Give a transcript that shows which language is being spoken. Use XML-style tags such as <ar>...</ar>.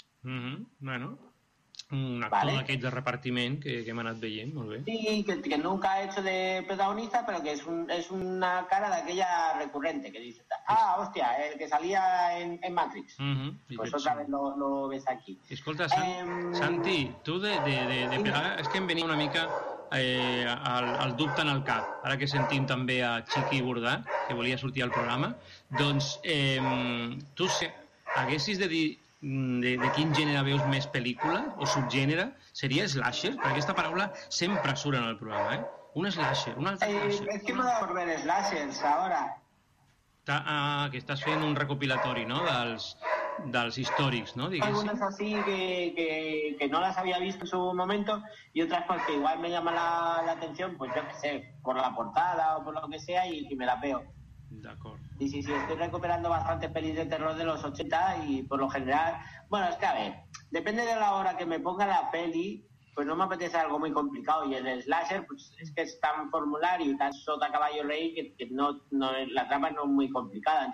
<ca>Uh-huh. Bueno. Un actor, vale, aquest de repartiment que m'ha anat veient, molt bé.</ca> <es>Sí, que nunca ha hecho de protagonista, pero que es una cara d'aquella recurrente que dice, ah, hòstia, el que salía en Matrix. Uh-huh. Pues otra vez lo ves aquí.</es> <ca>Escolta, Santi, tu de pegar, és que em venia una mica al dubte en el cap, ara que sentim també a Chiqui Bordà, que volia sortir al programa, doncs tu haguessis de dir de quin gènere veus més pel·lícula o subgènere, seria slasher? Perquè aquesta paraula sempre surt en el programa, eh? Un slasher, un altre slasher.</ca> <es>És que m'ha de volver slashers, ahora.</es> <ca>Que estàs fent un recopilatori, no?, dels històrics, no? Algunes així que no les havia vist</ca> <es>en su momento y otras pues que igual me llama la atención, pues yo qué sé, por la portada o por lo que sea y me la veo.</es> <ca>D'acord.</ca> <es>Y sí, estoy recuperando bastante pelis de terror de los 80 y por lo general, bueno, es que a ver, depende de la hora que me ponga la peli, pues no me apetece algo muy complicado, y el slasher, pues es que es tan formulario y tan sota caballo rey que no, la trama no es muy complicada.</es>